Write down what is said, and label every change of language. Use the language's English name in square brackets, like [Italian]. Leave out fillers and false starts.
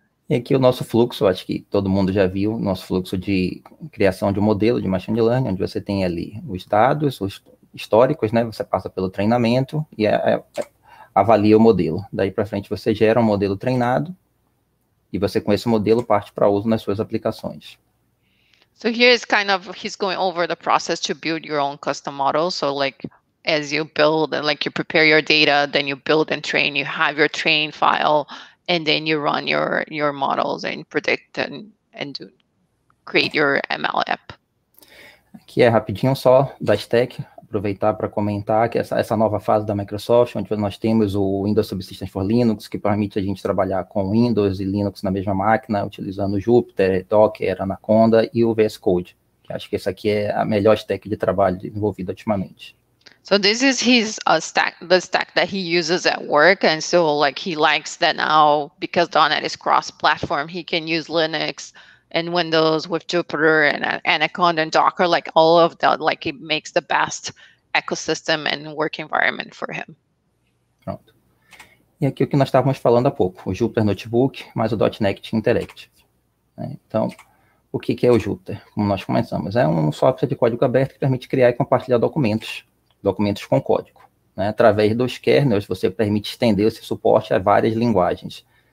[Portuguese] E aqui o nosso fluxo, acho que todo mundo já viu, nosso fluxo de criação de um modelo de machine learning, onde você tem ali os dados, os históricos, né? Você passa pelo treinamento e avalia o modelo. Daí para frente você gera um modelo treinado e você com esse modelo parte para uso nas suas aplicações. [English] So here is kind of, he's going over the process to build your own custom model. So like, as you build and like you prepare your data, then you build and train, you have your train file, and then you run your models and predict and do create your ML app. [Portuguese] Aqui é rapidinho só da Stack, aproveitar para comentar que essa nova fase da Microsoft, onde nós temos o Windows Subsystems for Linux, que permite a gente trabalhar com Windows e Linux na mesma máquina, utilizando Jupyter, Docker, Anaconda e o VS Code. Acho que essa aqui é a melhor stack de trabalho desenvolvida ultimamente. [English] So this is his stack, the stack that he uses at work, and so like he likes that now because .NET is cross-platform, he can use Linux and Windows with Jupyter and Anaconda and Docker, like all of that, like it makes the best ecosystem and work environment for him. [Portuguese] Pronto. E aqui o que nós estávamos falando há pouco, o Jupyter Notebook mais o .NET Interactive. Então, o que é o Jupyter? Como nós começamos, é um software de código aberto que permite criar e compartilhar documentos com código. Né? Através dos kernels, você permite estender esse suporte a várias linguagens.